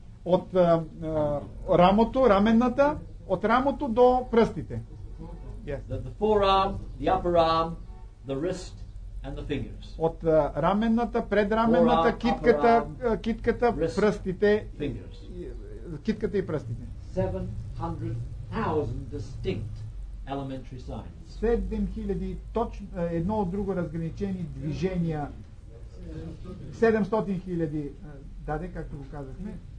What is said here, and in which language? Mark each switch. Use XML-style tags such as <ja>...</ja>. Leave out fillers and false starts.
<bg>От рамото, раменната, от рамото до пръстите.</bg> <en>Yes. The forearm, the upper arm, the wrist and the fingers.</en> <bg>От раменната, предраменната, forearm, китката, arm, китката, wrist, пръстите,</bg> <en>fingers.</en> <bg>Китката и пръстите.</bg> <en>700,000 distinct elementary signs.</en> <bg>7000 точно едно от друго разграничени движения 700 хиляди даде, както го казахме.</bg>